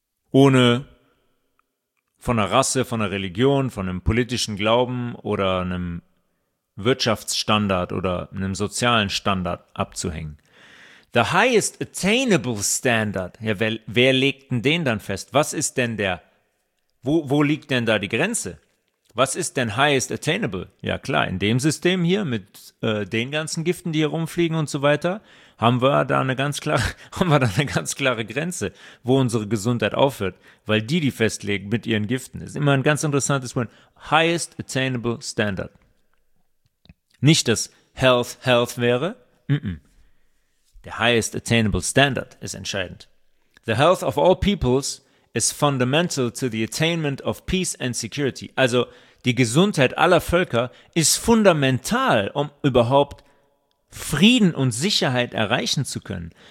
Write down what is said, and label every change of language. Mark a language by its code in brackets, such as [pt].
[de] Ohne von einer Rasse, von einer Religion, von einem politischen Glauben oder einem Wirtschaftsstandard oder einem sozialen Standard abzuhängen. [en] The highest attainable standard. [de] Ja, wer legt denn den dann fest? Was ist denn der, wo liegt denn da die Grenze? Was ist denn highest attainable? Ja klar, in dem System hier mit den ganzen Giften, die hier rumfliegen und so weiter, haben wir da eine ganz klare Grenze, wo unsere Gesundheit aufhört, weil die festlegen mit ihren Giften. Das ist immer ein ganz interessantes Wort. [en] Highest attainable standard. [de] Nicht, dass health wäre. Mm-mm. Der [en] highest attainable standard [de] ist entscheidend. [en] The health of all peoples is fundamental to the attainment of peace and security. [de] Also die Gesundheit aller Völker ist fundamental, um überhaupt Frieden und Sicherheit erreichen zu können.